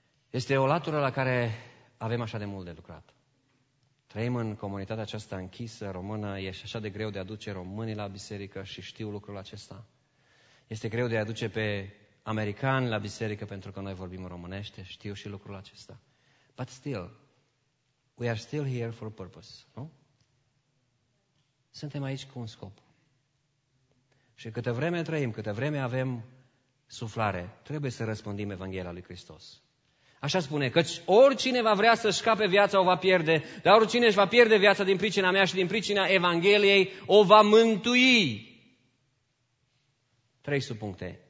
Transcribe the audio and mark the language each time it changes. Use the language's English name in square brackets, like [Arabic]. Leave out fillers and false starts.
[Romanian] Este o latură la care avem așa de mult de lucrat. Trăim în comunitatea aceasta închisă, română, e așa de greu de aduce românii la biserică și știu lucrul acesta. Este greu de aduce pe americani la biserică pentru că noi vorbim românește, știu și lucrul acesta. [English] But still, we are still here for a purpose, nu? [Romanian] Suntem aici cu un scop. Și câtă vreme trăim, câtă vreme avem suflare, trebuie să răspândim Evanghelia lui Hristos. Așa spune, căci oricine va vrea să-și scape viața o va pierde, dar oricine își va pierde viața din pricina mea și din pricina Evangheliei o va mântui. Trei subpuncte.